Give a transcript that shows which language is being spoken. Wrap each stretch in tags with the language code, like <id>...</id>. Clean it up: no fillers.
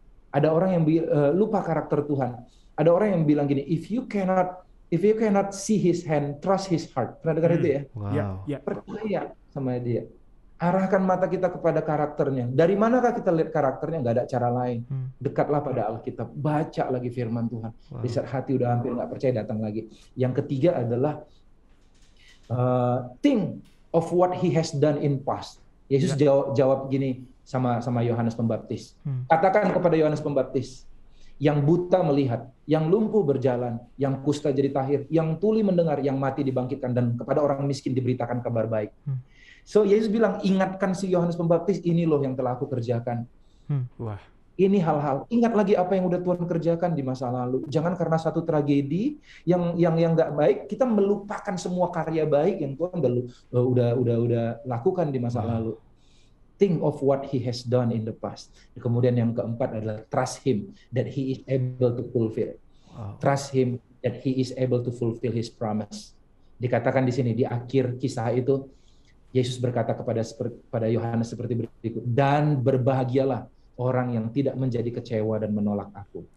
<id>Ada orang yang lupa karakter Tuhan. Ada orang yang bilang gini,</id> <en>if you cannot see his hand, trust his heart.</en> <id>Pernah dengar itu ya? Wow. Yeah. Percaya sama dia. Arahkan mata kita kepada karakternya. Dari manakah kita lihat karakternya? Gak ada cara lain. Dekatlah pada Alkitab. Baca lagi firman Tuhan. Wow. Di saat hati udah hampir gak percaya, datang lagi. Yang ketiga adalah</id> <en>think of what he has done in past.</en> <id>Yesus jawab gini sama Yohanes Pembaptis. Katakan kepada Yohanes Pembaptis, yang buta melihat, yang lumpuh berjalan, yang kusta jadi tahir, yang tuli mendengar, yang mati dibangkitkan, dan kepada orang miskin diberitakan kabar baik. So Yesus bilang, ingatkan si Yohanes Pembaptis, ini loh yang telah aku kerjakan. Wah. Ini hal-hal, ingat lagi apa yang udah Tuhan kerjakan di masa lalu. Jangan karena satu tragedi yang gak baik, kita melupakan semua karya baik yang Tuhan udah lakukan di masa lalu.</id> <en>Think of what he has done in the past.</en> <id>Kemudian yang keempat adalah</id> <en>trust him that he is able to fulfill. Trust him that he is able to fulfill his promise.</en> <id>Dikatakan di sini, di akhir kisah itu, Yesus berkata kepada Yohanes seperti berikut, dan berbahagialah orang yang tidak menjadi kecewa dan menolak aku.</id>